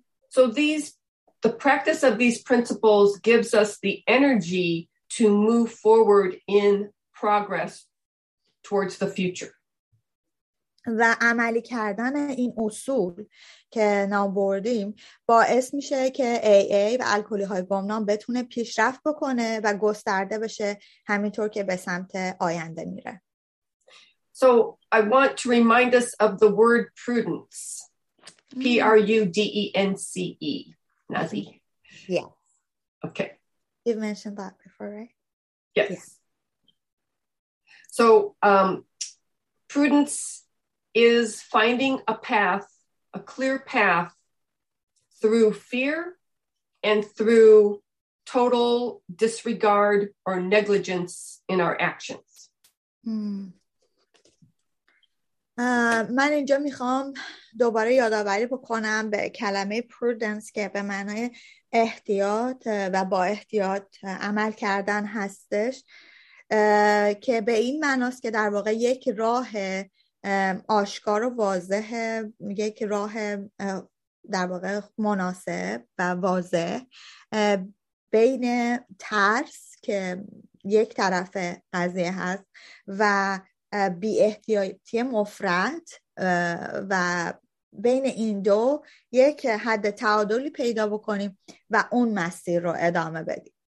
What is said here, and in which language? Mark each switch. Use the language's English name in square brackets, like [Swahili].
[English] So the practice of these principles gives us the energy to move forward in progress towards the future. [Persian] و عملی کردن این اصول که نام بردیم باعث میشه که AA و الکلی های گمنام بتونه پیشرفت بکنه و گسترده بشه همینطور که به سمت آینده میره. [English] So I want to remind us of the word prudence. P-R-U-D-E-N-C-E. Nazi. Yeah. Okay. You've mentioned that before, right? Yes. Yeah. So prudence is finding a path, a clear path through fear and through total disregard or negligence in our actions. [Persian] من اینجا میخوام دوباره یادآوری بکنم به کلمه prudence که به معنای احتیاط و با احتیاط عمل کردن هستش که به این معناست که در واقع یک راه آشکار و واضح یک راه در واقع مناسب و واضح بین ترس که یک طرف قضیه هست و بی احتیاطی مفرط و بین این دو یک حد تعادلی پیدا بکنیم و اون مسیر رو ادامه بدیم.